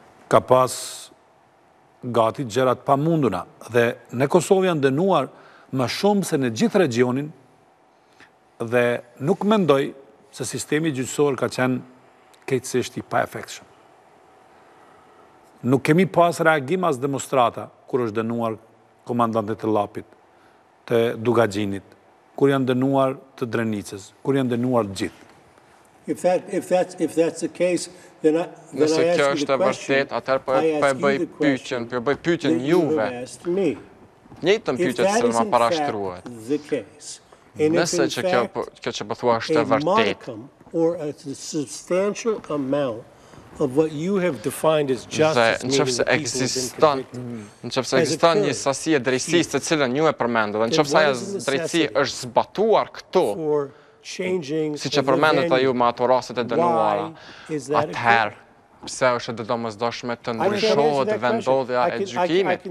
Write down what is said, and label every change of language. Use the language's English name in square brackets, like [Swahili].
[Albanian] Ka pasë gati gjërat pa munduna, dhe në Kosovë janë dënuar më shumë se në gjithë regionin, dhe nuk mendoj se sistemi gjyqësor ka qenë krejtësisht i paefektshëm. Nuk kemi pas reagim as demonstrata, kur është dënuar komandantet të lapit, të Dugagjinit, kur janë dënuar të Drenicës, kur janë dënuar gjithë. [English] If that's the case, then I ask you the question. [Albanian] Nëse kjo është vërtet, atëherë po e bëj pyetjen juve. Njëjtën pyetje që më parashtruat. Nëse kjo që po thua është vërtet, [English] or a substantial amount of what you have defined as justice, [Albanian] nëse ekziston, nëse ekziston një sasi e drejtësisë të cilën ju e përmendët, nëse ajo drejtësi është zbatuar këtu. Si që përmendët a ju me ato raset e dënuara, atëherë, pse është dhe domosdoshme të ndryshohet vendodhja e gjykimit?